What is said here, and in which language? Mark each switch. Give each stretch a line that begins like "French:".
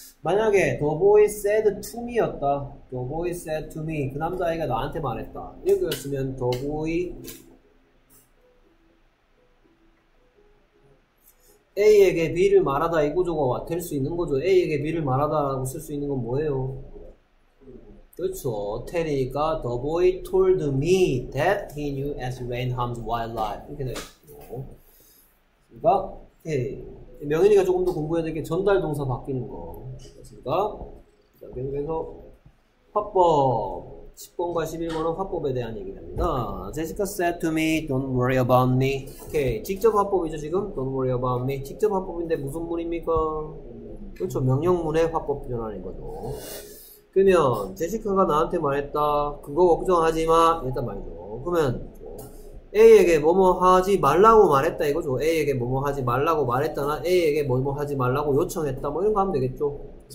Korean: 만약에
English: the boy said to me였다. the boy said to me.
Korean: 그 남자애가 나한테 말했다. 이거였으면 the boy A에게 B를 말하다 이구조가 될수 있는 거죠. A에게 B를 말하다라고 쓸수 있는 건 뭐예요? 그렇죠.
English: 테리가 The boy told me that he knew as rain harms wildlife.
Korean: 이렇게 되어 있고. 그러니까, 명인이가 조금 더 공부해야 될게 전달 동사 바뀌는 거. 그렇습니까? 자, 계속해서 화법. 10번과 11번은 화법에 대한 얘기 됩니다.
English: Jessica said to me, don't worry about me. 오케이.
Korean: 직접 화법이죠, 지금?
English: Don't worry about me.
Korean: 직접 화법인데 무슨 문입니까? 그렇죠. 명령문의 화법 변환인 거죠. 그러면, Jessica가 나한테 말했다. 그거 걱정하지 마. 이랬단 말이죠. 그러면, A에게 뭐뭐 하지 말라고 말했다. 이거죠. A에게 뭐뭐 하지 말라고 말했다나, A에게 뭐뭐 하지 말라고 요청했다. 뭐 이런 거 하면 되겠죠.